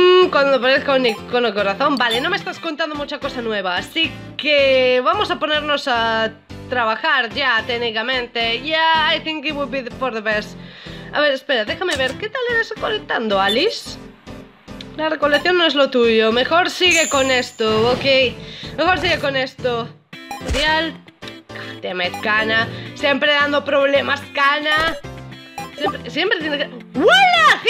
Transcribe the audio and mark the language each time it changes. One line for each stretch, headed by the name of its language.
Spanish: Cuando aparezca un icono corazón. Vale, no me estás contando mucha cosa nueva, así que vamos a ponernos a trabajar ya, técnicamente.
English: Yeah, I think it would be for the best.
Spanish: A ver, espera, déjame ver, ¿qué tal eres recolectando, Alice? La recolección no es lo tuyo, mejor sigue con esto, ok. Mejor sigue con esto. Real.
English: Damn it, Kana.
Spanish: Siempre dando problemas, Kana. Siempre tiene que... ¡Huela!